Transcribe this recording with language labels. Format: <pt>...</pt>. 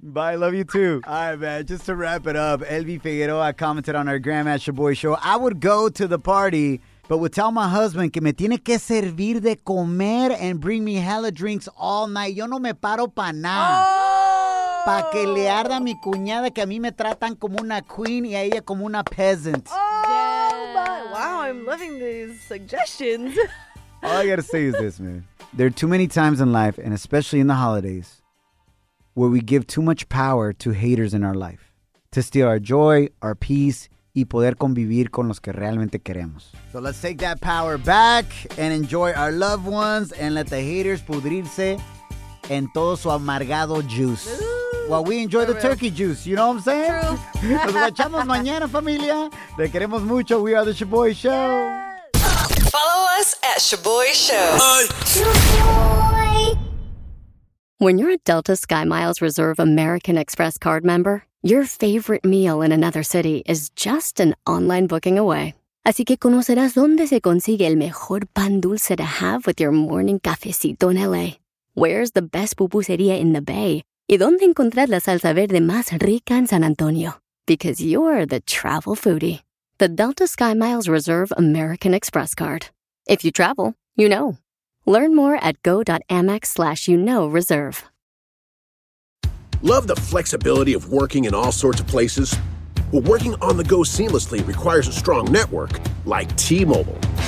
<en>Bye, love you too. All right, man, just to wrap it up, Elvi Figueroa commented on our Graham at Shaboy Show, I would go to the party, but would tell my husband</en> <es>que me tiene que servir de comer</es> <en>and bring me hella drinks all night.</en> <es>Yo no me paro pa' nada. Oh. Pa' que le arda a mi cuñada que a mí me tratan como una queen y a ella como una peasant.</es> <en>Wow, I'm loving these suggestions. All I gotta say is this, man. There are too many times in life, and especially in the holidays, where we give too much power to haters in our life to steal our joy, our peace,</en> <es>y poder convivir con los que realmente queremos.</es> <en>So let's take that power back and enjoy our loved ones and let the haters</en> <es>pudrirse en todo su amargado</es> <en>juice. Ooh, while we enjoy the turkey juice, you know what I'm saying? True.</en> <es>Nos echamos mañana, familia. Te queremos mucho.</es> <en>We are the Shaboy Show. Yes. Follow us at Shaboy Show. Shaboy. When you're a Delta SkyMiles Reserve American Express card member, your favorite meal in another city is just an online booking away.</en> <es>Así que conocerás dónde se consigue el mejor pan dulce</es> <en>to have with your morning</en> <es>cafecito en L.A.</es> <en>Where's the best pupuseria in the Bay?</en> <es>¿Y dónde encontrar la salsa verde más rica en San Antonio?</es> <en>Because you're the travel foodie. The Delta Sky Miles Reserve American Express card. If you travel, you know. Learn more at go.amex/reserve. Love the flexibility of working in all sorts of places? Well, working on the go seamlessly requires a strong network like T-Mobile.</en>